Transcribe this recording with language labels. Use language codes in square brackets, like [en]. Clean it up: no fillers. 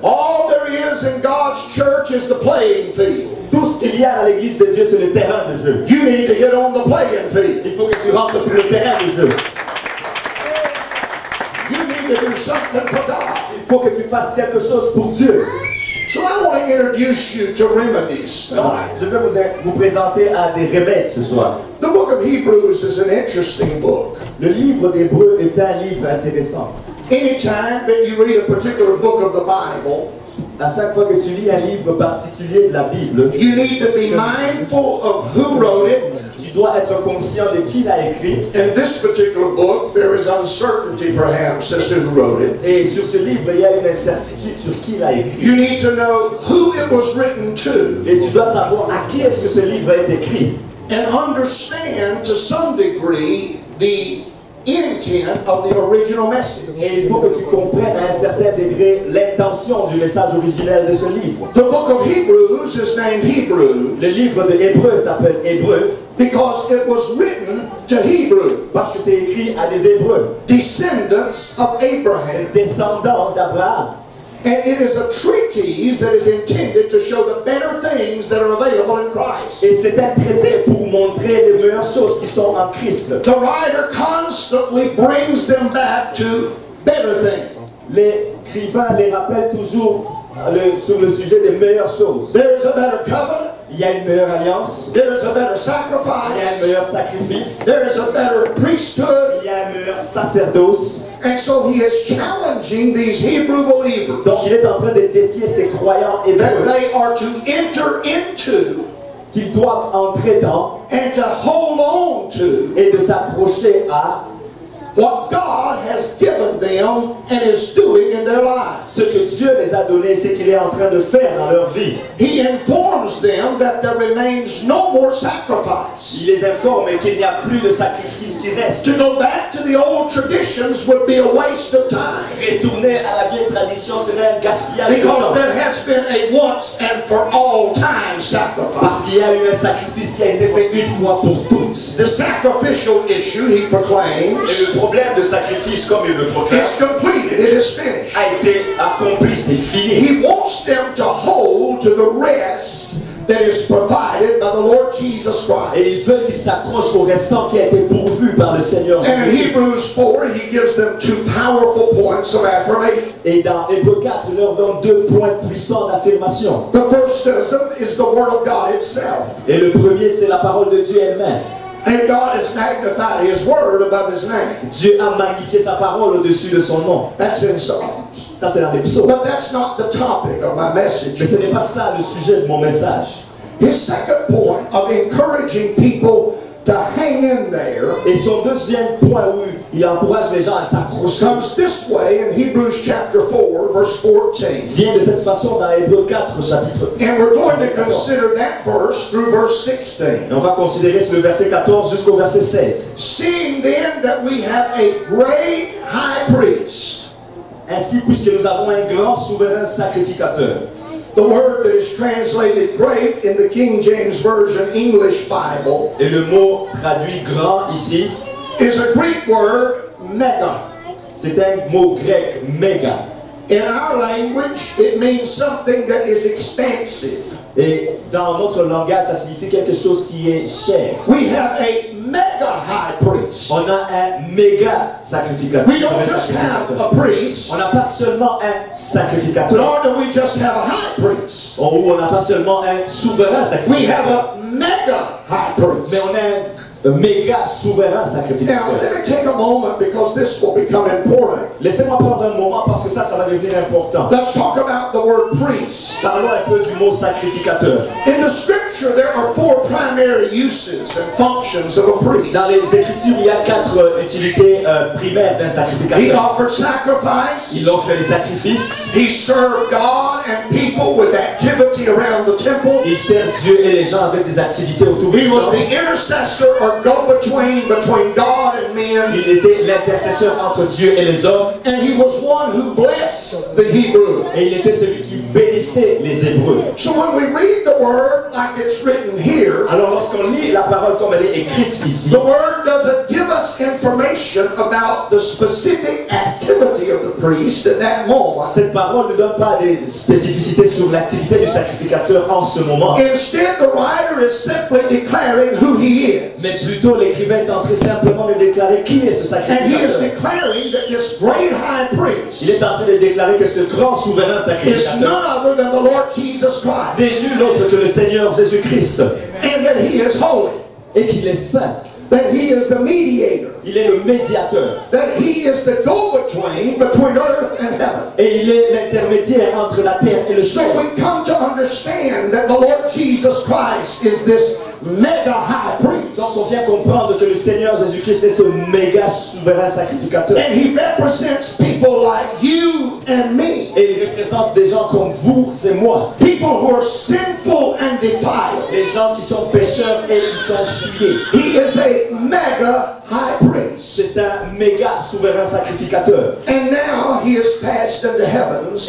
[en] All there is in God's church is the playing field. [fr] Tout ce qu'il y a à l'église de Dieu, c'est le terrain de jeu. [en] You need to get on the playing field. [fr] Il faut que tu rentres sur le terrain de jeu. [en] Something for God. [fr] Il faut que tu fasses quelque chose pour Dieu. [en] So I want to introduce you to remedies. [fr] Je vais vous présenter à des remèdes ce soir. [en] The book of Hebrews is an interesting book. [fr] Le livre d'Hébreux est un livre intéressant. [en] Anytime that you read a particular book of the Bible, [fr] à chaque fois que tu lis un livre particulier de la Bible, [en] you need to be mindful of who wrote it. [fr] Tu dois être conscient de qui l'a écrit. [en] In this particular book, there is uncertainty, perhaps, as to who wrote it. [fr] Et sur ce livre, il y a une incertitude sur qui l'a écrit. [en] You need to know who it was written to. [fr] Et tu dois savoir à qui est-ce que ce livre a été écrit. [en] And understand, to some degree, the intent of the original message. [fr] Et il faut que tu comprennes à un certain degré l'intention du message originel de ce livre. [en] The book of Hebrews is named Hebrews. [fr] Le livre de Hébreux s'appelle Hébreux. [en] Because it was written to Hebrews. [fr] Parce que c'est écrit à des Hébreux. [en] Descendants of Abraham. [fr] Descendants d'Abraham. [en] And it is a treatise that is intended to show the better things that are available in Christ. [fr] Et c'est un traité pour montrer les meilleures choses qui sont en Christ. [en] The writer constantly brings them back to better things. [fr] L'écrivain les rappelle toujours sur le sujet des meilleures choses. [en] There is a better covenant. [fr] Il y a une meilleure alliance. [en] There is a better sacrifice. [fr] Il y a un meilleur sacrifice. [en] There is a better priesthood. [fr] Il y a un meilleur sacerdoce. [en] And so he is challenging these Hebrew believers. [fr] Donc il est en train de défier ces croyants hébreux. [en] That they are to enter into. [fr] Qu'ils doivent entrer dans. [en] And to hold on to. [fr] Et de s'approcher à. [en] What God has given them and is doing in their lives. [fr] Ce que Dieu les a donné, c'est qu'il est en train de faire dans leur vie. [en] He informs them that there remains no more sacrifice. [fr] Il les informe qu'il n'y a plus de sacrifice qui reste. [en] To go back to the old traditions would be a waste of time. [fr] Retourner à la vieille tradition serait un gaspillage. [en] Because there has been a once and for all time sacrifice. [fr] Parce qu'il y a eu un sacrifice qui a été fait une fois pour toutes. [en] The sacrificial issue, he proclaims. [fr] Le problème de sacrifice comme il le proclame a été accompli, c'est fini. [en] He wants them to hold to the rest that is provided by the Lord Jesus Christ. [fr] Et il veut qu'ils s'accrochent au restant qui a été pourvu par le Seigneur. [en] And in Hebrews 4, he gives them two powerful points of affirmation. [fr] Et dans Hébreux 4, il leur donne deux points puissants d'affirmation. [en] The first is the word of God itself. [fr] Et le premier, c'est la parole de Dieu elle-même. [en] And God has magnified His word above His name. [fr] Dieu a magnifié sa parole au-dessus de son nom. [en] That's in Psalms. [fr] Ça c'est dans les psaumes. [en] But that's not the topic of my message. [fr] Mais ce n'est pas ça le sujet de mon message. [en] His second point of encouraging people to hang in there. [fr] Et son deuxième point où il encourage les gens à s'accrocher. [en] Comes this way in Hebrews chapter 4, verse 14. [fr] Vient de cette façon dans Hébreux 4, chapitre 14. [en] And we're going to consider that verse through verse 16. [fr] Et on va considérer ce verset 14 jusqu'au verset 16. [en] Seeing then that we have a great high priest. [fr] Ainsi puisque nous avons un grand souverain sacrificateur. [en] The word that is translated great in the King James Version English Bible. [fr] Et le mot traduit grand ici. [en] Is a Greek word mega. [fr] C'est un mot grec mega. [en] In our language, it means something that is expansive. [fr] Et dans notre langage, ça signifie quelque chose qui est cher. [en] We have a mega high priest. [fr] On a un méga sacrificateur. [en] We don't just have a priest. [fr] On n'a pas seulement un sacrificateur. [en] Nor do we just have a high priest. [fr] Oh, on n'a pas seulement un souverain sacrificateur. [en] We have a mega high priest. [fr] Mais on a un méga souverain sacrificateur. [en] Now, let me take a moment because this will become important. [fr] Laissez-moi prendre un moment parce que ça va devenir important. [en] Let's talk about the word priest. [fr] Parlons un peu du mot sacrificateur. [en] In the scripture, there are four primary uses and functions of a priest. [fr] Dans les écritures, il y a quatre utilités primaires d'un sacrificateur. [en] He offered sacrifice. [fr] Il offre les sacrifices. [en] He served God and people with activity around the temple. [fr] Il sert Dieu et les gens avec des activités autour du temple. [en] He was the intercessor or go-between God and men. [fr] Il était l'intercesseur entre Dieu et les hommes. [en] And he was one who blessed the Hebrew. [fr] Et il était celui qui bénissait les Hébreux. [en] So when we read the word like it's written here, [fr] alors lorsqu'on lit la parole comme elle est écrite ici, [en] the word doesn't give us information about the specific activity of the priest at that moment. [fr] Cette parole ne donne pas des spécificités sur l'activité du sacrificateur en ce moment. [en] Instead, the writer is simply declaring who he is. [fr] Mais plutôt l'écrivain est en train simplement de déclarer qui est ce sacrificateur. [en] And he is declaring that this great high priest. [fr] Il est en train de déclarer que ce grand souverain sacrificateur [en] is none other than the Lord Jesus Christ. [fr] N'est nul autre que le Seigneur Jésus Christ. [en] And that he is holy. [fr] Et qu'il est saint. [en] That he is the mediator. [fr] Il est le médiateur. [en] That he is the go-between between earth and heaven. [fr] Et il est l'intermédiaire entre la terre et le ciel. [en] So we come to understand that the Lord Jesus Christ is this mega high priest. [fr] Donc on vient comprendre que le Seigneur Jésus-Christ est ce méga souverain sacrificateur. [en] And he represents people like you and me. [fr] Et il représente des gens comme vous et moi. [en] People who are sinful and defiled. [fr] Des gens qui sont pécheurs et qui sont souillés. [en] He is a mega high priest. [fr] C'est un méga souverain sacrificateur. [en] And now he has passed into heavens.